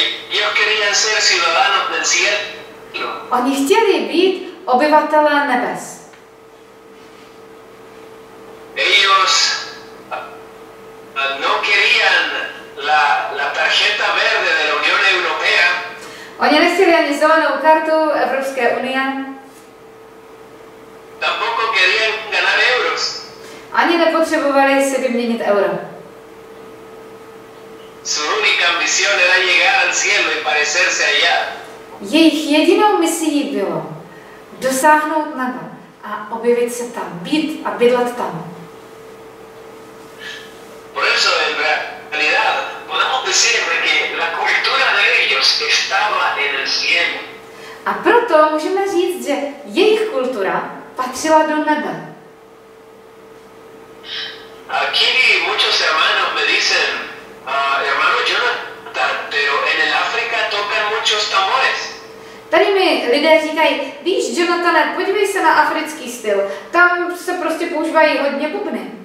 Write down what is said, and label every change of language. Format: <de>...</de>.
<es>Ellos querían ser ciudadanos del cielo.</es> <cs>Oni chtěli být obyvatelé nebes.</cs> <es>Ellos no querían la tarjeta verde de la Unión Europea.</es> <cs>Oni nechtěli ani zelenou kartu Evropské unie.</cs> <es>Tampoco querían ganar euros.</es> <cs>Ani nepotřebovali si vyměnit euro.</cs> <es>Su única misión era llegar al cielo y parecerse allá.</es> <cs>Jejich jedinou misí bylo dosáhnout nebe a objevit se tam, být a bydlet tam.</cs> <es>Por eso en realidad podemos decir que la cultura de ellos estaba en el cielo.</es> <cs>A proto můžeme říct, že jejich kultura patřila do nebe.</cs> <es>Aquí muchos hermanos me dicen, hermano Jonathan, pero en el África tocan muchos tambores.</es> <cs>Tady mi lidé říkají, víš, Jonathane, podívej se na africký styl, tam se prostě používají hodně bubny.</cs>